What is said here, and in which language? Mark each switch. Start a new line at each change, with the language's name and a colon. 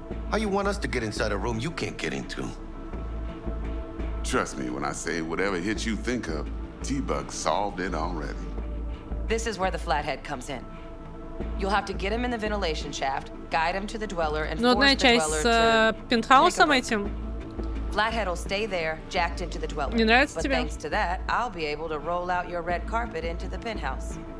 English: How you want us to get inside a room you can't get into? Trust me when I say whatever hit you think of, T-Bug solved it already. This is where the Flathead comes in. You'll have to get him in the ventilation shaft, guide him to the dweller and force the dweller to...
Russian: Ну, одна часть с пентхаусом этим
English: Flathead will stay there, jacked into the dweller.
Russian: Не нравится тебе?
English: But thanks to that, I'll be able to roll out your red carpet into the penthouse.